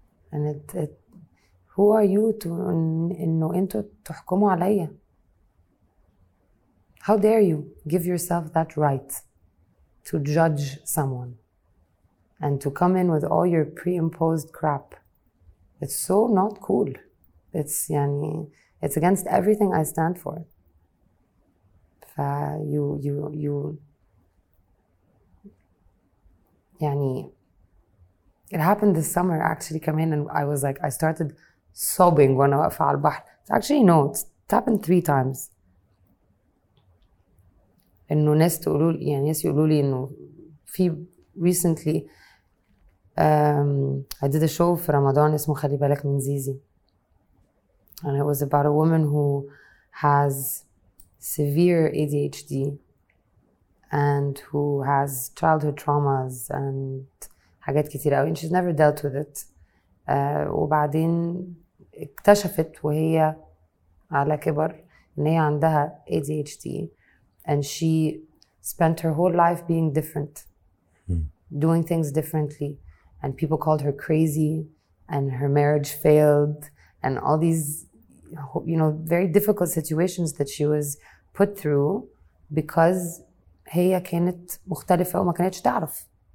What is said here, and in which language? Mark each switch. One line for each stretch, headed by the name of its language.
English: And it who are you to
Arabic: إنه أنتوا تحكموا عليا?
English: How dare you give yourself that right to judge someone and to come in with all your pre-imposed crap? It's so not cool. It's يعني it's against everything I stand for. فيو يعني it happened this summer actually came in and I was like I started sobbing when I was
Arabic: على البحر.
English: Actually no, it happened three times.
Arabic: إنه ناس تقولوا يعني ناس يقولوا لي إنه في
English: recently I did a show
Arabic: في رمضان اسمه خلي بالك من زيزي.
English: And it was about a woman who has severe ADHD and who has childhood traumas and
Arabic: حاجات كتير قوي.
English: And she's never dealt with it.
Arabic: وبعدين اكتشفت وهي على كبر ان هي عندها ADHD.
English: And she spent her whole life being different, doing things differently. And people called her crazy and her marriage failed and all these... you know, very difficult situations that she was put through because
Arabic: هي كانت مختلفة وما كانتش تعرف.